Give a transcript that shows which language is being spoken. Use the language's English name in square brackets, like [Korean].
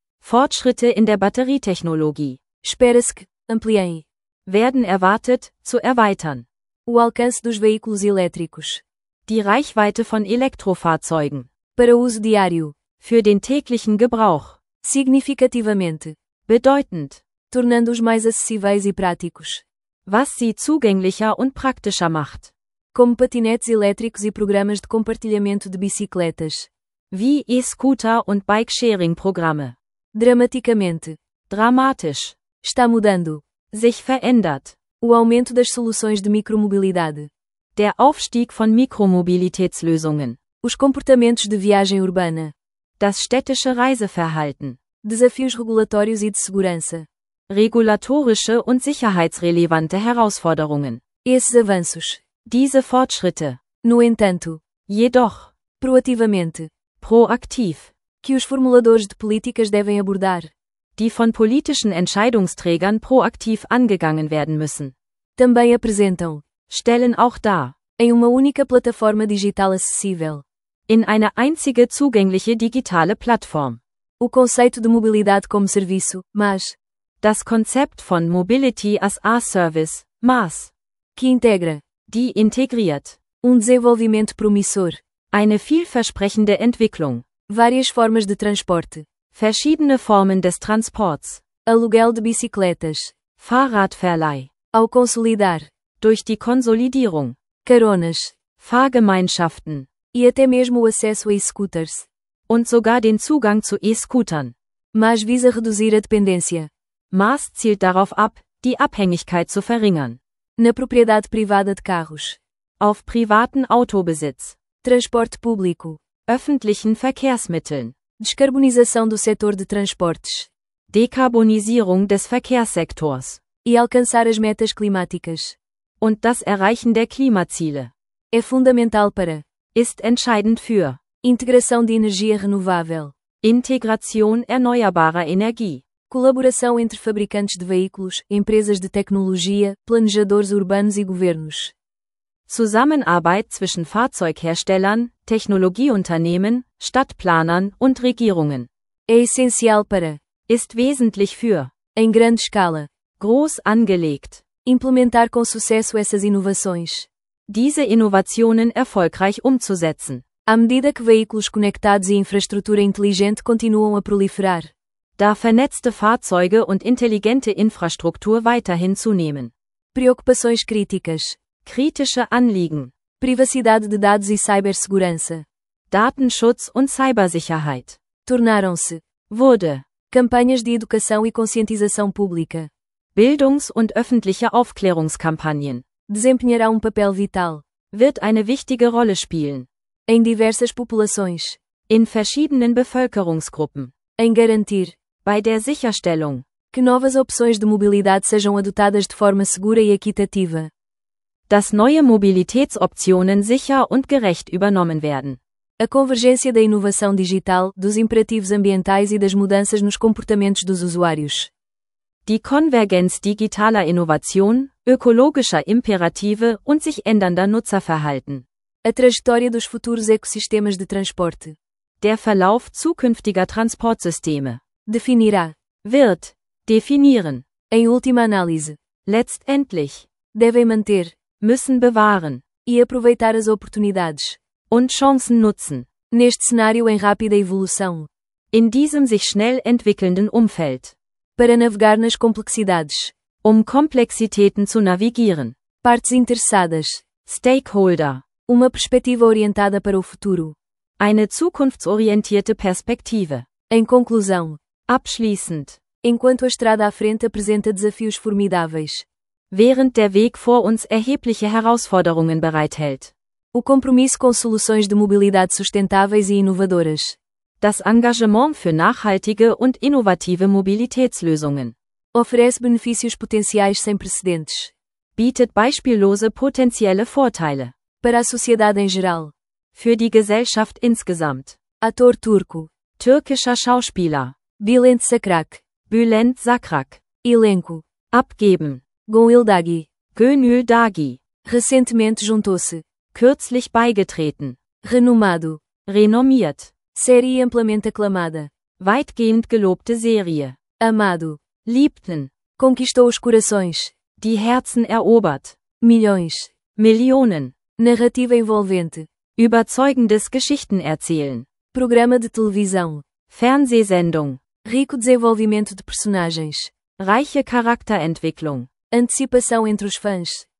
[German] Fortschritte in der Batterietechnologie. [Portuguese] Espera-se que ampliem. [German] Werden erwartet, zu erweitern. [Portuguese] O alcance dos veículos elétricos. [German] Die Reichweite von Elektrofahrzeugen. [Portuguese] Para uso diário. [German] Für den täglichen Gebrauch. [Portuguese] Significativamente. [German] Bedeutend. [Portuguese] Tornando-os mais acessíveis e práticos. [German] Was sie zugänglicher und praktischer macht. [Portuguese] Como patinetes elétricos e programas de compartilhamento de bicicletas. [German] Wie e-scooter und bike-sharing-programme. [Portuguese] Dramaticamente. [German] Dramatisch. [Portuguese] Está mudando. [German] Sich verändert. [Portuguese] O aumento das soluções de micromobilidade. [German] Der Aufstieg von Mikromobilitätslösungen. [Portuguese] Os comportamentos de viagem urbana. [German] Das städtische Reiseverhalten. [Portuguese] Desafios regulatórios e de segurança. [German] Regulatorische und sicherheitsrelevante Herausforderungen. [Portuguese] Esses avanços. [German] Diese Fortschritte. [Portuguese] No entanto. [German] Jedoch. [Portuguese] Proativamente. [German] Proaktiv. [Portuguese] Que os formuladores de políticas devem abordar. [German] Die von politischen Entscheidungsträgern proaktiv angegangen werden müssen. [Portuguese] Também apresentam. [German] Stellen auch dar. [Portuguese] Em uma única plataforma digital acessível. [German] In eine einzige zugängliche digitale Plattform. [Portuguese] O conceito de mobilidade como serviço, MaaS. [German] Das Konzept von Mobility as a Service, MaaS. [Portuguese] Que integra. [German] Die integriert. [Portuguese] Um desenvolvimento promissor. [German] Eine vielversprechende Entwicklung. [Portuguese] Várias formas de transporte. [German] Verschiedene Formen des Transports. [Portuguese] Aluguel de bicicletas. [German] Fahrradverleih. [Portuguese] Ao consolidar. [German] Durch die Konsolidierung. [Portuguese] Caronas. [German] Fahrgemeinschaften. [Portuguese] E até mesmo o acesso a e-scooters. [German] Und sogar den Zugang zu e-scootern. [Portuguese] MaaS visa reduzir a dependência. [German] MaaS zielt darauf ab, die Abhängigkeit zu verringern. [Portuguese] Na propriedade privada de carros. [German] Auf privaten Autobesitz. [Portuguese] Transporte público. [German] Öffentlichen Verkehrsmitteln. [Portuguese] Descarbonização do setor de transportes. [German] Dekarbonisierung des Verkehrssektors. [Portuguese] E alcançar as metas climáticas. [German] Und das Erreichen der Klimaziele. [Portuguese] É fundamental para. [German] Ist entscheidend für. [Portuguese] Integração de energia renovável. [German] Integration erneuerbarer Energie. [Portuguese] Colaboração entre fabricantes de veículos, empresas de tecnologia, planejadores urbanos e governos. [German] Zusammenarbeit zwischen Fahrzeugherstellern, Technologieunternehmen, Stadtplanern und Regierungen. [Portuguese] É essencial para. [German] Ist wesentlich für. [Portuguese] Em grande escala. [German] Groß angelegt. [Portuguese] Implementar com sucesso essas inovações. [German] Diese Innovationen erfolgreich umzusetzen. [Portuguese] À medida que veículos conectados e infraestrutura inteligente continuam a proliferar. [German] Da vernetzte Fahrzeuge und intelligente Infrastruktur weiterhin zunehmen. [Portuguese] Preocupações críticas. [German] Kritische Anliegen. [Portuguese] Privacidade de dados e cibersegurança. [German] Datenschutz und Cybersicherheit. [Portuguese] Tornaram-se. [German] Wurde. [Portuguese] Campanhas de educação e conscientização pública. [German] Bildungs- und öffentliche Aufklärungskampagnen. [Portuguese] Desempenhará um papel vital. [German] Wird eine wichtige Rolle spielen. [Portuguese] Em diversas populações. [German] In verschiedenen Bevölkerungsgruppen. [Portuguese] Em garantir. [German] Bei der Sicherstellung. [Portuguese] Que novas opções de mobilidade sejam adotadas de forma segura e equitativa. [German] Dass neue Mobilitätsoptionen sicher und gerecht übernommen werden. [Portuguese] A convergência da inovação digital, dos imperativos ambientais e das mudanças nos comportamentos dos usuários. [German] Die Konvergenz digitaler Innovation, ökologischer Imperative und sich ändernder Nutzerverhalten. [Portuguese] A trajetória dos futuros ecossistemas de transporte. [German] Der Verlauf zukünftiger Transportsysteme. [Portuguese] Definirá. [German] Wird. Definieren. [Portuguese] Em última análise. [German] Letztendlich. [Portuguese] Devem manter. [German] Müssen bewahren. [Portuguese] E aproveitar as oportunidades. [German] Und Chancen nutzen. [Portuguese] Neste cenário em rápida evolução. [German] In diesem sich schnell entwickelnden Umfeld. [Portuguese] Para navegar nas complexidades. [German] Um Komplexitäten zu navigieren. [Portuguese] Partes interessadas. [German] Stakeholder. [Portuguese] Uma perspectiva orientada para o futuro. [German] Eine zukunftsorientierte Perspektive. [Portuguese] Em conclusão. [German] Abschließend. [Portuguese] enquanto a estrada à frente apresenta desafios formidáveis. [German] Während der Weg vor uns erhebliche Herausforderungen bereithält. [Portuguese] O compromisso com soluções de mobilidade sustentáveis e inovadoras. [German] Das Engagement für nachhaltige und innovative Mobilitätslösungen. [Portuguese] Oferece benefícios potenciais sem precedentes. [German] Bietet beispiellose potenzielle Vorteile. [Portuguese] Para a sociedade em geral. [German] Für die Gesellschaft insgesamt. [Portuguese] Ator turco. [German] Türkischer Schauspieler. [Portuguese] Bülent Sakrak. [German] Bülent Sakrak. [Portuguese] Elenco. [German] Abgeben. [Portuguese] Gönül Dagi. [German] Gönül Dagi. [Portuguese] Recentemente juntou-se. [German] Kürzlich beigetreten. [Portuguese] Renomado. [German] Renommiert. [Portuguese] Série amplamente aclamada. [German] Weitgehend gelobte Serie. [Portuguese] Amado. [German] Liebten. [Portuguese] Conquistou os corações. [German] Die Herzen erobert. [Portuguese] Milhões. [German] Millionen. [Portuguese] Narrativa envolvente. [German] Überzeugendes Geschichten erzählen. [Portuguese] Programa de televisão. [German] Fernsehsendung. [Portuguese] Rico desenvolvimento de personagens. [German] Reiche Charakterentwicklung. [Portuguese] Antecipação entre os fãs.